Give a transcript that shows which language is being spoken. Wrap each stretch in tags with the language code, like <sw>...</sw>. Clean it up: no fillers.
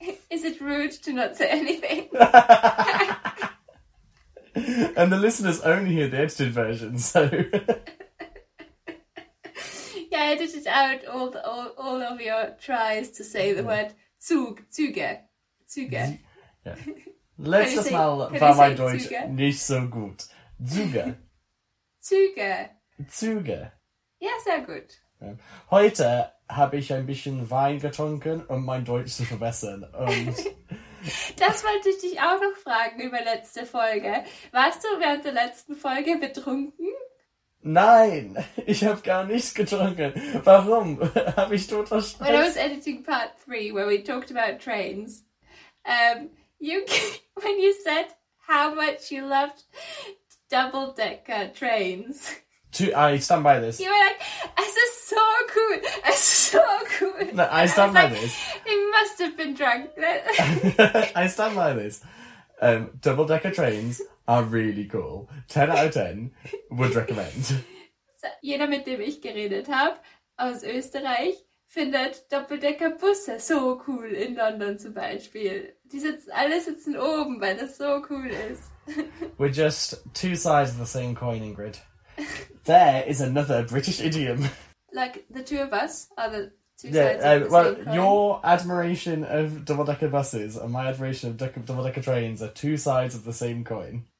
<en>is it rude to not say anything? And the listeners only hear the edited version, so. Yeah, I edited out all of your tries to say the word Züge. Yeah.</en> <de>Letztes Mal war mein Deutsch nicht so gut. Züge. Züge. Züge. Ja, sehr gut.</de> <en>Yeah.</en> <de>Heute habe ich ein bisschen Wein getrunken, um mein Deutsch zu verbessern. Und das wollte ich dich auch noch fragen über letzte Folge. Warst du während der letzten Folge betrunken? Nein, ich habe gar nichts getrunken. Warum? Habe ich total Stress?</de> <en>When I was editing part 3, where we talked about trains, when you said how much you loved double-decker trains. I stand by this. You were like, this is so cool. It's so cool. No, I stand by this. It must have been drunk. I stand by this. Double-decker trains are really cool. 10 out of 10 would recommend.</en> <de>So, jeder, mit dem ich geredet habe, aus Österreich, findet Doppeldecker-Busse so cool in London zum Beispiel. Die sitzen, alle sitzen oben, weil das so cool ist.</de> <en>We're just two sides of the same coin, Ingrid. There is another British idiom. Like, the two of us are the two sides of the same coin. Your admiration of double-decker buses and my admiration of double-decker trains are two sides of the same coin.</en>